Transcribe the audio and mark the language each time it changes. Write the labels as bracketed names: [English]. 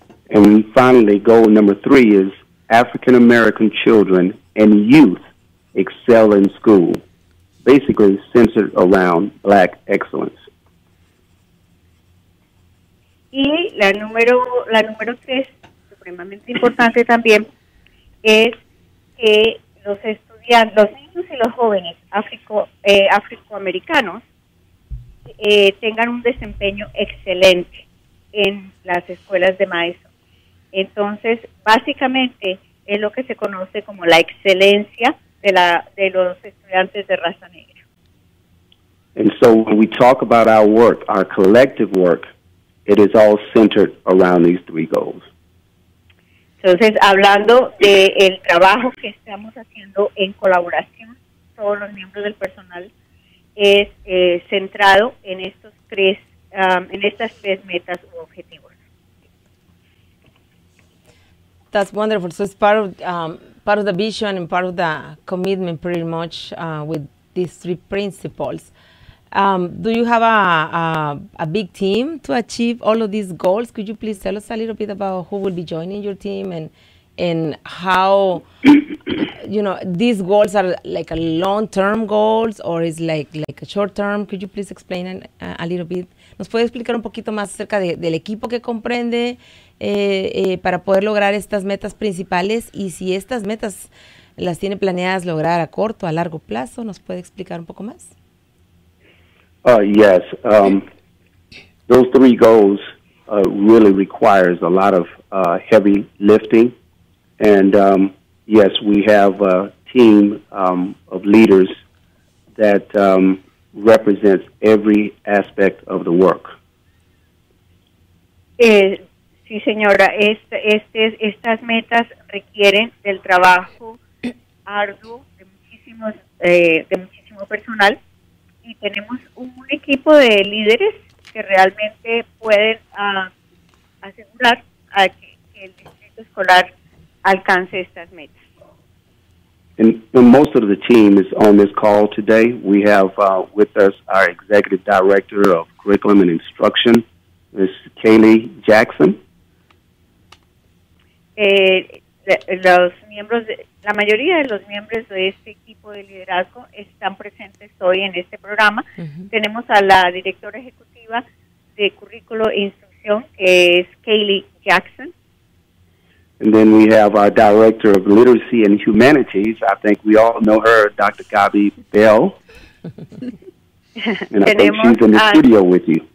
[English] And finally, goal number three is African American children and youth excel in school, basically centered around Black excellence. [Spanish] Y la número tres, supremamente importante también, es que los estudiantes, los niños y los jóvenes afroamericanos tengan un desempeño excelente en las escuelas de Madison. Entonces, básicamente, es lo que se conoce como la excelencia de los estudiantes de raza negra. [English] And so when we talk about our work, our collective work, it is all centered around these three goals. [Spanish] Entonces, hablando de el trabajo que estamos haciendo en colaboración, todos los miembros del personal, es centrado en estos tres, en estas tres metas u objetivos. [English] That's wonderful. So it's part of the vision and part of the commitment, pretty much, with these three principles. Do you have a big team to achieve all of these goals? Could you please tell us a little bit about who will be joining your team and how, you know, these goals are like a long-term goals or is like a short-term? Could you please explain a little bit? [Spanish] ¿Nos puede explicar un poquito más acerca del equipo que comprende para poder lograr estas metas principales y si estas metas las tiene planeadas lograr a corto, a largo plazo? ¿Nos puede explicar un poco más? [English] Yes, those three goals really requires a lot of heavy lifting, and yes, we have a team of leaders that represents every aspect of the work. [Spanish] Sí, señora, estas metas requieren del trabajo arduo de muchísimo personal. Y tenemos un equipo de líderes que realmente pueden asegurar a que el distrito escolar alcance estas metas. [English] And most of the team is on this call today. We have with us our executive director of curriculum and instruction, Ms. Kaylee Jackson. [Spanish] los miembros, la mayoría de los miembros de este equipo de liderazgo están presentes hoy en este programa. Uh-huh. Tenemos a la directora ejecutiva de currículo e instrucción, que es Kaylee Jackson. [English] And then we have our director of literacy and humanities. I think we all know her, Dr. Gabby Bell. And I think she's in the studio with you.